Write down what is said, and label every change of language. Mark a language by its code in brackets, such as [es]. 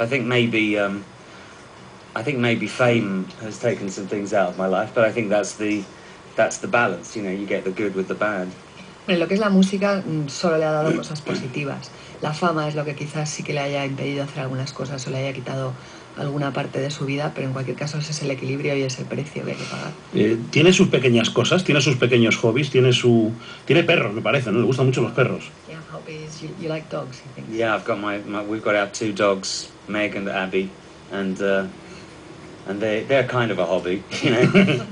[en] I think maybe fame has taken some things out of my life, but I think that's the balance, you know, you get the good with the bad. [es] Bueno, lo que es la música solo le ha dado cosas positivas. La fama es lo que quizás sí que le haya impedido hacer algunas cosas o le haya quitado alguna parte de su vida, pero en cualquier caso ese es el equilibrio y es el precio que hay que pagar. Tiene sus pequeñas cosas, tiene sus pequeños hobbies, tiene perros, me parece, ¿no? Le gustan mucho los perros. [en] You like dogs, you think? Yeah, I've got we've got our two dogs, Meg and Abby, and they're kind of a hobby, you know.